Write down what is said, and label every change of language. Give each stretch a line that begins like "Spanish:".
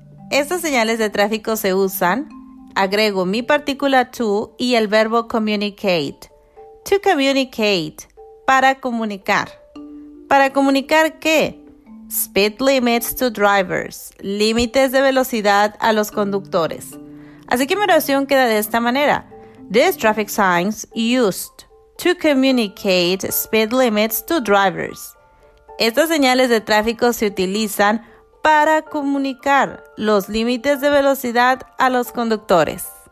Spanish: Estas señales de tráfico se usan. Agrego mi partícula to y el verbo communicate.
English: To communicate.
Spanish: Para comunicar. ¿Para comunicar qué?
English: Speed limits to drivers.
Spanish: Límites de velocidad a los conductores. Así que mi oración queda de esta manera.
English: These traffic signs used to communicate speed limits to drivers.
Spanish: Estas señales de tráfico se utilizan para comunicar los límites de velocidad a los conductores.